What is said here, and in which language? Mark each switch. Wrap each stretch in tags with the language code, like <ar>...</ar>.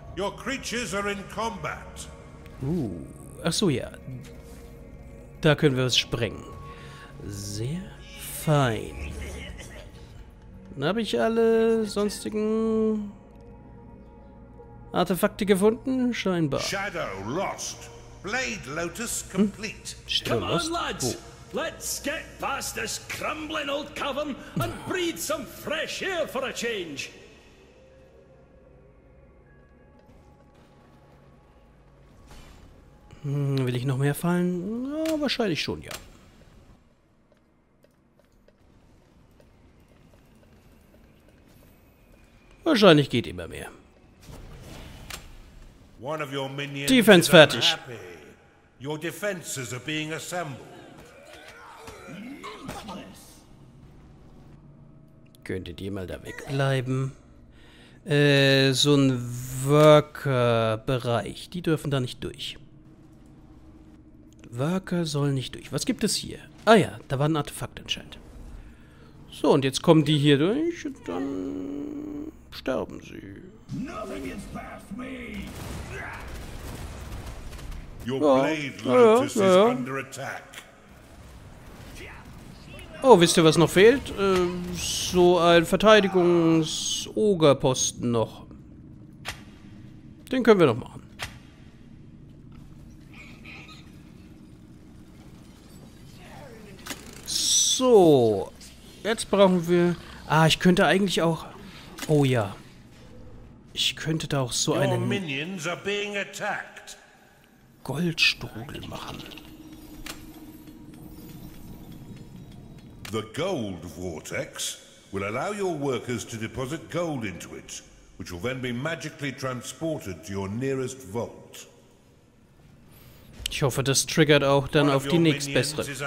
<en>Your creatures are in combat.</en> <de>Ach so, ja. Da können wir es sprengen. Sehr fein. Dann habe ich alle sonstigen Artefakte gefunden? Scheinbar.</de> <en>Shadow lost. Blade Lotus complete. Come on, lads. Oh. Let's get past this crumbling old cavern and breathe some fresh air for a change.</en> <de>Will ich noch mehr fallen? Ja, wahrscheinlich schon, ja. Wahrscheinlich geht immer mehr.</de> <en>One of your minions.</en> <de>Defense fertig.</de> <en>Your defenses are being assembled.</en> <de>Könntet ihr mal da wegbleiben? So ein Worker-Bereich. Die dürfen da nicht durch. Worker sollen nicht durch. Was gibt es hier? Ah ja, da war ein Artefakt anscheinend. So, und jetzt kommen die hier durch und dann sterben sie.</de> <en>Nothing gets past me. Your Blade Lotus is under attack.</en> <de>Oh, wisst ihr, was noch fehlt? So ein Verteidigungs-Oger-Posten noch. Den können wir noch machen. So. Jetzt brauchen wir. Ah, ich könnte eigentlich auch. Oh ja. Ich könnte da auch so einen.</de> <en>Your minions are being attacked.</en> <de>Goldstrudel machen.</de> <en>The gold vortex will allow your workers to deposit gold into it, which will then be magically transported to your nearest vault.</en> <de>Ich hoffe, das triggert auch dann auf die nächstbessere.</de>